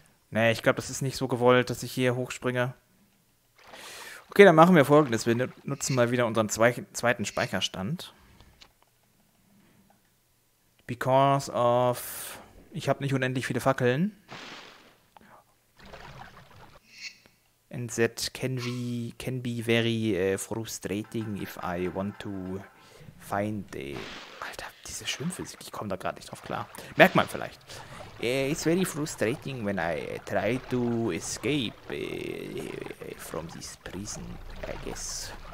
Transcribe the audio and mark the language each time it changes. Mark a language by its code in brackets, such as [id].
[de] Nee, ich glaube, das ist nicht so gewollt, dass ich hier hochspringe. Okay, dann machen wir Folgendes. Wir nutzen mal wieder unseren zweiten Speicherstand. [en] Because of... [de] Ich habe nicht unendlich viele Fackeln. [en] And that can be very frustrating if I want to find the... [de] Alter, diese Schwimmphysik, ich komme da gerade nicht drauf klar. Merkt man vielleicht. [en] It's very frustrating when I try to escape from this prison, I guess.